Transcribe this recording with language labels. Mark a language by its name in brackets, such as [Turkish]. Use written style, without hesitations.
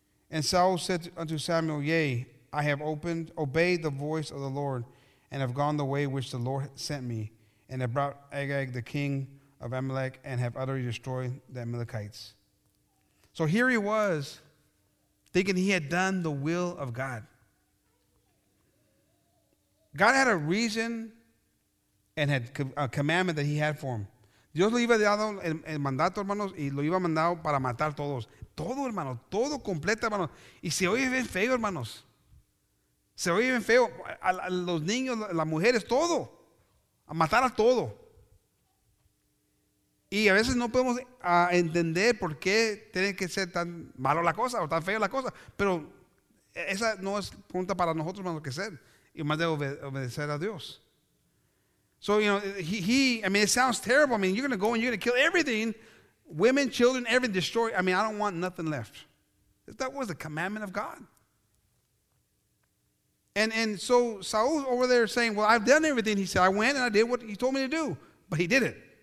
[English] And Saul said unto Samuel, Yea, I have obeyed the voice of the Lord, and have gone the way which the Lord sent me, and have brought Agag, the king of Amalek, and have utterly destroyed the Amalekites. So here he was, thinking he had done the will of God. God had a reason and had a commandment that he had for him. [Spanish] Dios le iba a dar el mandato, hermanos, y lo iba a mandar para matar todos. Todo, hermano, todo completo, hermano. Y se oye bien feo, hermanos. Se oye bien feo a los niños, las mujeres, todo. A matar a todo. Y a veces no podemos entender por qué tiene que ser tan malo la cosa o tan feo la cosa. Pero esa no es pregunta para nosotros más que ser. Y más de obedecer a Dios. [English] So, you know, it sounds terrible. I mean, you're going to go and you're going to kill everything. Women, children, everything, destroy. I mean, I don't want nothing left. That was the commandment of God. And so Saul over there saying, Well, I've done everything. He said, I went and I did what he told me to do. But he did it.